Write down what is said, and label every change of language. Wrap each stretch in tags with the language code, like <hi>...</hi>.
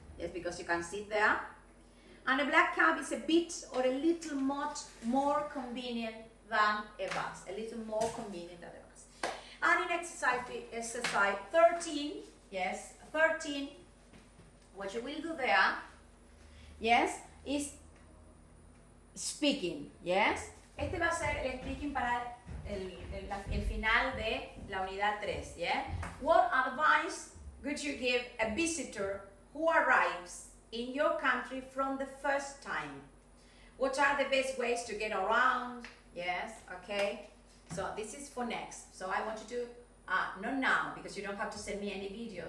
<en>Yes, because you can sit there. And a black cab is a bit or a little more convenient than a bus. A little more convenient than a bus. And in exercise 13, yes, 13, what you will do there, yes, is speaking, yes.</en> <es>Este va a ser el speaking para el final de la unidad 3,</es> <en>yeah? What advice would you give a visitor who arrives in your country from the first time? What are the best ways to get around? Yes, okay. So this is for next. So I want you to, not now, because you don't have to send me any video.</en>